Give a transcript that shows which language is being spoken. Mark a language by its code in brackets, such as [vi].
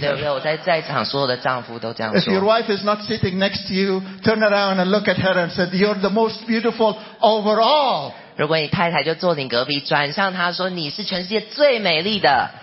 [zh] 对不对我在场所有的丈夫都这样说 [en] If your wife is not sitting next to you turn around and look at her and said you're the most beautiful overall [zh] 如果你太太就坐你隔壁转向她说你是全世界最美丽的